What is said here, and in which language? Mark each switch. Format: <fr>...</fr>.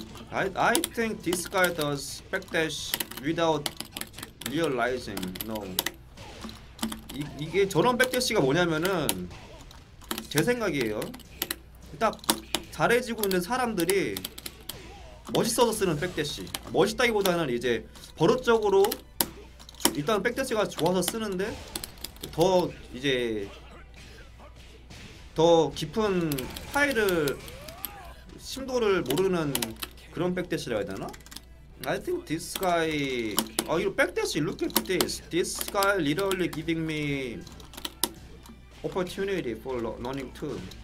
<en>아이 think this guy does backdash without realizing. No.</en> <ko>이게 저런 백대시가 뭐냐면은 제 생각이에요. 딱 잘해지고 있는 사람들이 멋있어서 쓰는 백대시. 멋있다기보다는 이제 버릇적으로 일단 백대시가 좋아서 쓰는데 더 이제 더 깊은 파일을 심도를 모르는 그런 백대시라 해야 되나?</ko> <en>I think this guy.</en> <ko>아 이거 백대시</ko> <en>look at this. This guy literally giving me opportunity for learning too.</en>